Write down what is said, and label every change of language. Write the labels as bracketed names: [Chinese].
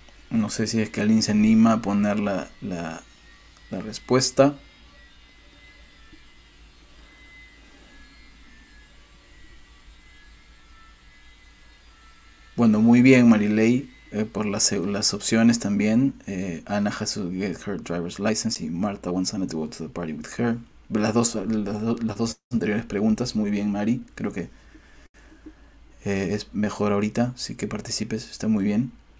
[Spanish] No sé si es que alguien se anima a poner la respuesta. Bueno, muy bien, Marilei, por las opciones también. [English] Anna has to get her driver's license y Marta wants Anna to go to the party with her. [Spanish] Las dos anteriores preguntas, muy bien, Mari. Creo que es mejor ahorita, sí que participes, está muy bien.